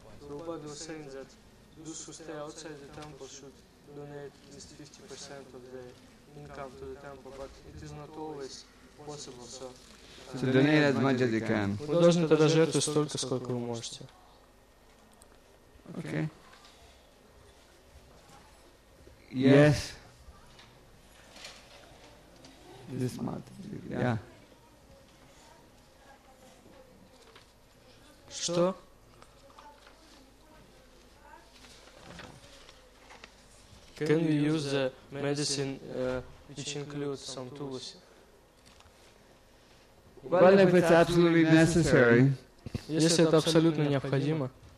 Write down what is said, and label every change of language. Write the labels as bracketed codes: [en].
[en] God was saying that those who stay outside the temple should donate at least 50% of the income to the temple, but it is not always possible. So, so donate as much as you can. [ru] Вы должны тогда жертвовать столько, сколько вы можете. [en] Okay. Yes. This month. Yeah. [ru] Что? [en] Can we use the medicine which includes some tools? But if it's absolutely necessary. [ru] Если это абсолютно необходимо.